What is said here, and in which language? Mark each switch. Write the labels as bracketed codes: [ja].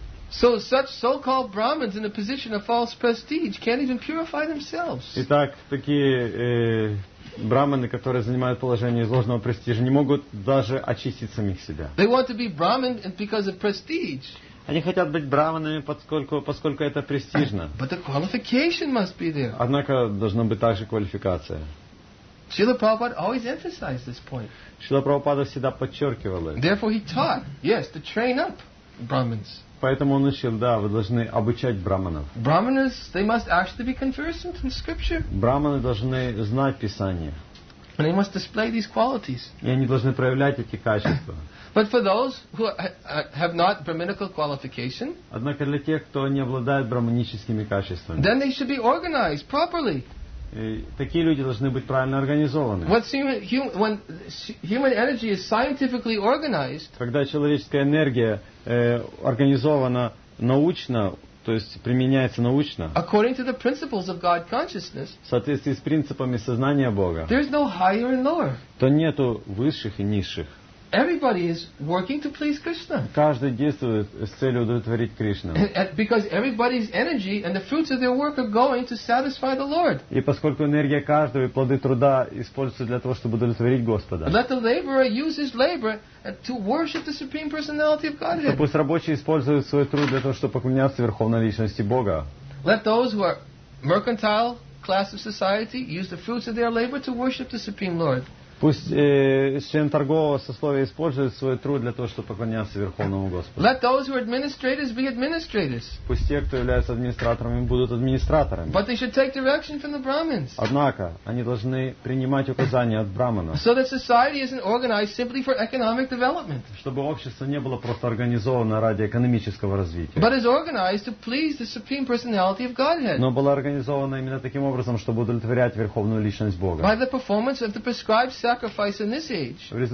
[en] So such so-called Brahmins in a position of false prestige can't even purify themselves. [ru] Итак, такие брахманы, которые занимают положение из ложного престижа, не могут даже очистить самих себя. [en] They want to be Brahmin because of prestige. [ru] Они хотят быть брахманами, поскольку это престижно. [en] But the qualification must be there. [ru] Однако должна быть также квалификация. [en] Шрила Прабхупада always emphasized this point. [ru] Шрила Прабхупада всегда подчеркивал это. [en] Therefore he taught, yes, to train up Brahmins. [ru] Поэтому он учил, да, вы должны обучать брахманов. [en] Brahmins, they must actually be conversant in scripture. [ru] Брахманы должны знать Писание. [en] And they must display these qualities. [ru] И они должны проявлять эти качества. [en] But for those who have not brahminical qualification, [ru] однако для тех, кто не обладает брахманическими качествами, [en] then they should be organized properly. [ru] Такие люди должны быть правильно организованы. [en] When human energy is scientifically organized, [ru] когда человеческая энергия организована научно, то есть применяется научно, [en] according to the principles of God consciousness, [ru] в соответствии с принципами сознания Бога, [en] there is no higher and lower. [ru] То нету высших и низших. [en] Everybody is working to please Krishna. [ru] Каждый действует с целью удовлетворить Кришну. [en] Because everybody's energy and the fruits of their work are going to satisfy the Lord. [ru] И поскольку энергия каждого и плоды труда используются для того, чтобы удовлетворить Господа. [en] Let the laborer use his labor to worship the Supreme Personality of Godhead. [ru] Пусть рабочий использует свой труд для того, чтобы поклоняться Верховной Личности Бога. [en] Let those who are mercantile class of society use the fruits of their labor to worship the Supreme Lord. [ru] Пусть член торгового сословия использует свой труд для того, чтобы поклоняться Верховному Господу. [en] Let those who are administrators be administrators. [ru] Пусть те, кто являются администраторами, будут администраторами. [en] But they should take direction from the Brahmins. [ru] Однако, они должны принимать указания от брахманов. [en] So that society isn't organized simply for economic development. [ru] Чтобы общество не было просто организовано ради экономического развития. [en] But is organized to please the Supreme Personality of Godhead. [ru] Но было организовано именно таким образом, чтобы удовлетворять Верховную Личность Бога. [en] By the performance of the prescribed sacrifice in this age.